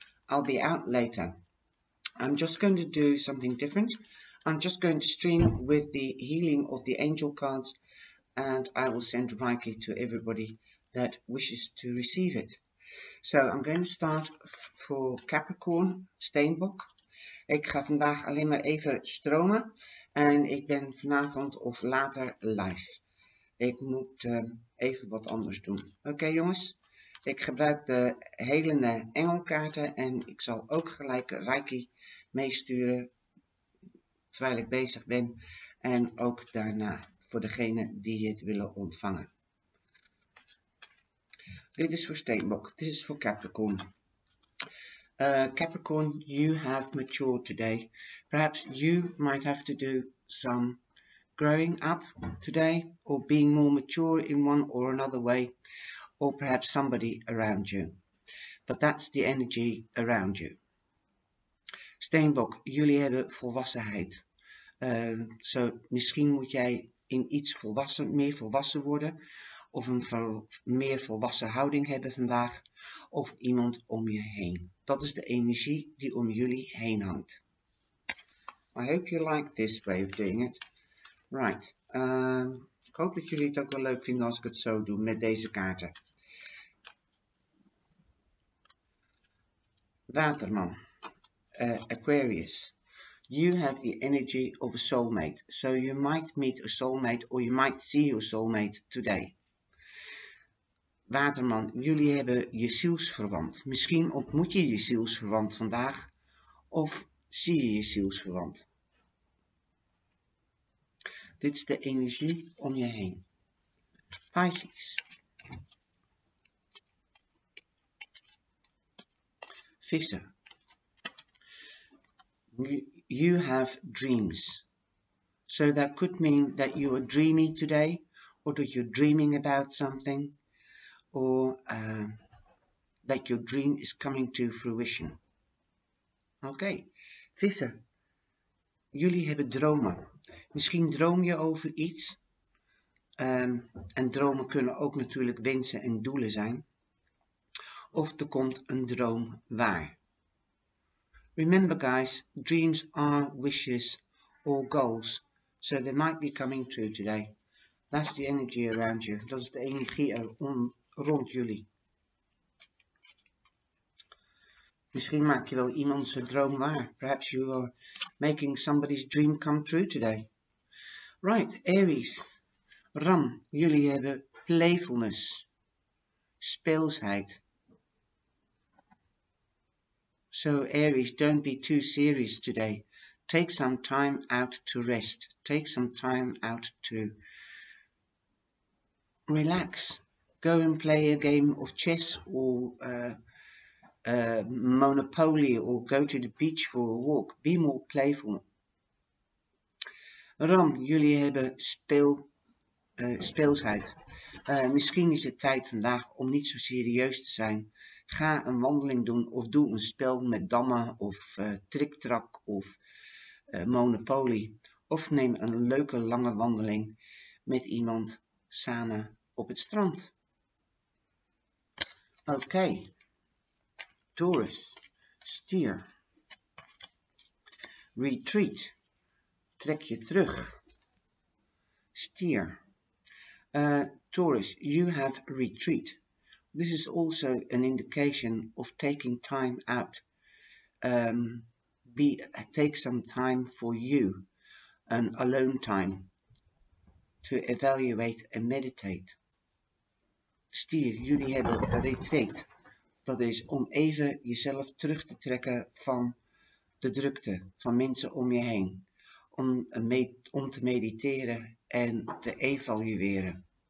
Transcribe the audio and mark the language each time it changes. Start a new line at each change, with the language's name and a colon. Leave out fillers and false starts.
English: I'll be out later. I'm just going to do something different. I'm just going to stream with the healing of the angel cards and I will send Reiki to everybody that wishes to receive it. So I'm going to start for Capricorn Steenbok.
Dutch: Ik ga vandaag alleen maar even stromen en ik ben vanavond of later live. Ik moet even wat anders doen. Oké, jongens. Ik gebruik de helende engelkaarten. En ik zal ook gelijk Reiki meesturen. Terwijl ik bezig ben. En ook daarna voor degene die het willen ontvangen. Dit is voor Steenbok. Dit is voor Capricorn.
English: Capricorn, you have matured today. Perhaps you might have to do some growing up today, or being more mature in one or another way, or perhaps somebody around you. But that's the energy around you.
Dutch: Steenbok, jullie hebben volwassenheid. So, misschien moet jij in iets volwassen, meer volwassen worden, of een meer volwassen houding hebben vandaag, of iemand om je heen. Dat is de energie die om jullie heen hangt.
English: I hope you like this way of doing it.
Dutch: Right, ik hoop dat jullie het ook wel leuk vinden als ik het zo doe met deze kaarten.
English: Waterman, Aquarius. You have the energy of a soulmate. So you might meet a soulmate or you might see your soulmate today.
Dutch: Waterman, jullie hebben je zielsverwant. Misschien ontmoet je je zielsverwant vandaag of zie je je zielsverwant. Dit is de energie om je heen. Pisces. Vissen.
English: You have dreams. So that could mean that you are dreamy today. Or that you're dreaming about something. Or that your dream is coming to fruition.
Dutch: Okay. Vissen. Jullie hebben dromen. Misschien droom je over iets. En dromen kunnen ook natuurlijk wensen en doelen zijn. Of er komt een droom waar.
English: Remember guys, dreams are wishes or goals. So they might be coming true today. That's the energy around you.
Dutch: Dat is de energie rond jullie. Misschien maak je wel iemand zijn droom waar.
English: Perhaps you are making somebody's dream come true today.
Dutch: Right, Aries. Ram, jullie hebben playfulness. Speelsheid.
English: So Aries, don't be too serious today. Take some time out to rest. Take some time out to relax. Go and play a game of chess or Monopoly or go to the beach for a walk. Be more playful.
Dutch: Ram, jullie hebben speelsheid. Misschien is het tijd vandaag om niet zo serieus te zijn. Ga een wandeling doen of doe een spel met dammen of triktrak of Monopoly. Of neem een leuke lange wandeling met iemand samen op het strand. Oké. Taurus, stier, retreat, trek je terug, stier, Taurus,
English: you have retreat. This is also an indication of taking time out, take some time for you, an alone time, to evaluate and meditate.
Dutch: Stier, jullie hebben een retreat. Dat is om even jezelf terug te trekken van de drukte, van mensen om je heen. Om te mediteren en te evalueren.